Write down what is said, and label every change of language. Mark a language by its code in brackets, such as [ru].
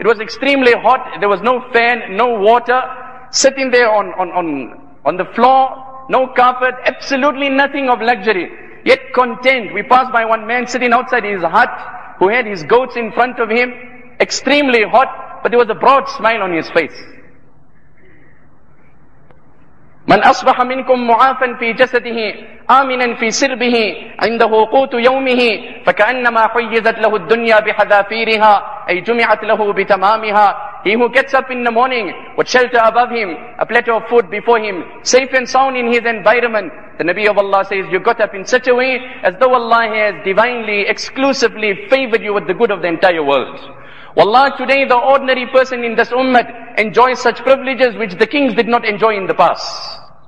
[en] It was extremely hot. There was no fan, no water. Sitting there on the floor, no carpet, absolutely nothing of luxury. Yet content. We passed by one man sitting outside his hut who had his goats in front of him. Extremely hot, but there was a broad smile on his face. [ar] من أصبح منكم معافا في جسده آمنا في سربه عنده قوت يومه فكأنما حيزت له الدنيا بحذافيرها أي جمعت له بتمامها. [en] He who gets up in the morning with shelter above him, a plateau of food before him, safe and sound in his environment. The Nabi of Allah says, you got up in such a way as though Allah has divinely, exclusively favored you with the good of the entire world. Wallah, today the ordinary person in this ummah enjoys such privileges which the kings did not enjoy in the past.